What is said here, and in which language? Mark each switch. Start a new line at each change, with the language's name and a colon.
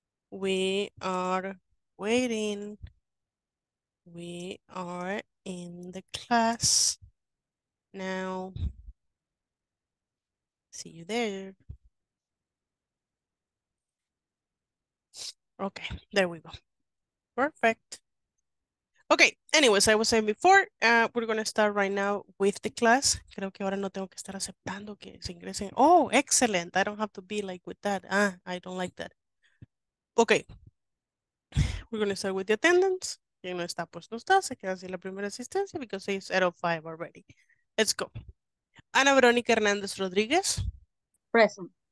English: We are waiting. We are in the class now. See you there. Okay, there we go. Perfect. Okay, anyways, I was saying before, we're gonna start right now with the class.
Spanish: Creo que ahora no tengo que estar aceptando que se ingresen.
English: Oh, excellent. I don't have to be like with that. Ah, I don't like that. Okay, we're gonna start with the attendance.
Spanish: No está, pues no está, se queda sin la primera asistencia
English: because it's 8:05 already. Let's go.
Spanish: Ana Verónica Hernández Rodríguez.
English: Present.